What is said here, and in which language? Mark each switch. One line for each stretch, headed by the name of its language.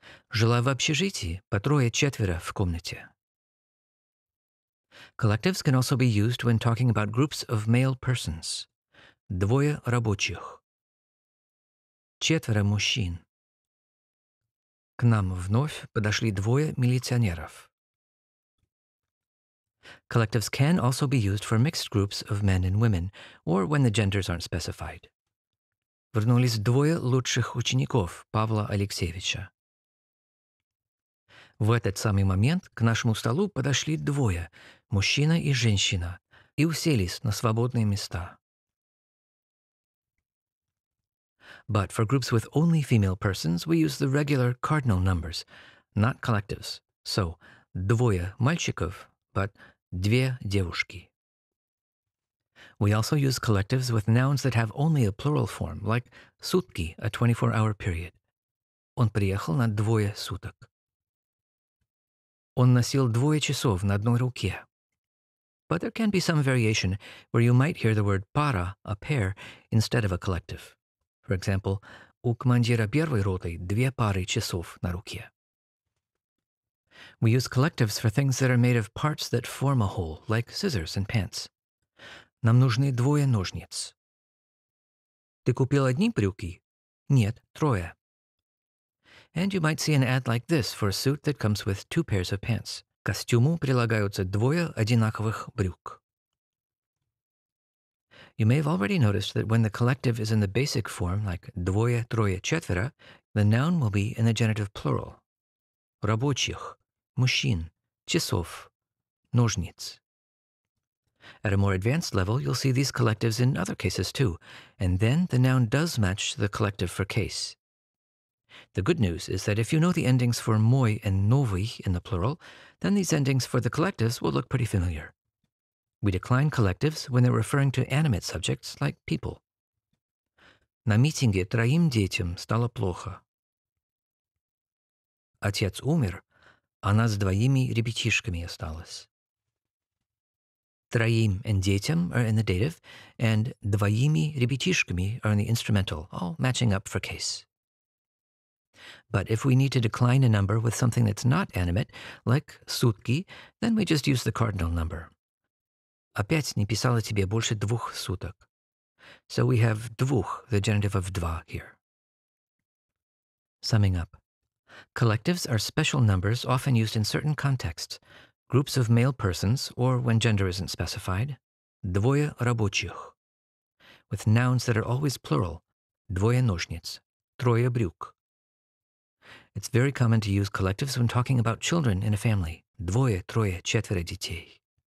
Russian: Жила в общежитии, по трое-четверо в комнате.
English: Collectives can also be used when talking about groups of male persons.
Russian: Двое рабочих. Четверо мужчин. К нам вновь подошли двое милиционеров.
English: Collectives can also be used for mixed groups of men and women, or when the genders aren't specified.
Russian: Вернулись двое лучших учеников Павла Алексеевича. В этот самый момент к нашему столу подошли двое, мужчина и женщина, и уселись на свободные места.
English: But for groups with only female persons, we use the regular cardinal numbers, not collectives. So,
Russian: двое мальчиков,
English: but
Russian: две девушки.
English: We also use collectives with nouns that have only a plural form, like сутки, a 24-hour period.
Russian: Он приехал на двое суток. Он носил двое часов на одной руке.
English: But there can be some variation where you might hear the word пара, a pair, instead of a collective. For example,
Russian: у командира первой роты две пары часов на руке.
English: We use collectives for things that are made of parts that form a whole, like scissors and pants.
Russian: Нам нужны двое ножниц. Ты купил одни брюки? Нет, трое.
English: And you might see an ad like this for a suit that comes with two pairs of pants.
Russian: Костюму прилагаются двое одинаковых брюк.
English: You may have already noticed that when the collective is in the basic form, like
Russian: двое, трое, четверо,
English: the noun will be in the genitive plural.
Russian: Рабочих, мужчин, часов, ножниц.
English: At a more advanced level, you'll see these collectives in other cases too, and then the noun does match the collective for case. The good news is that if you know the endings for мой and новый in the plural, then these endings for the collectives will look pretty familiar. We decline collectives when they're referring to animate subjects like people.
Russian: На митинге троим детям стало плохо. Отец умер, а нас двоими ребятишками осталось.
English: Троим and детям are in the dative, and
Russian: двоими ребятишками
English: are in the instrumental, all matching up for case. But if we need to decline a number with something that's not animate, like сутки, then we just use the cardinal number.
Russian: Опять не писала тебе больше двух суток.
English: So we have двух, the genitive of два, here. Summing up, collectives are special numbers often used in certain contexts, groups of male persons, or when gender isn't specified,
Russian: двое рабочих,
English: with nouns that are always plural,
Russian: двое ножниц, трое брюк.
English: It's very common to use collectives when talking about children in a family.
Russian: Двое, трое, четверо детей.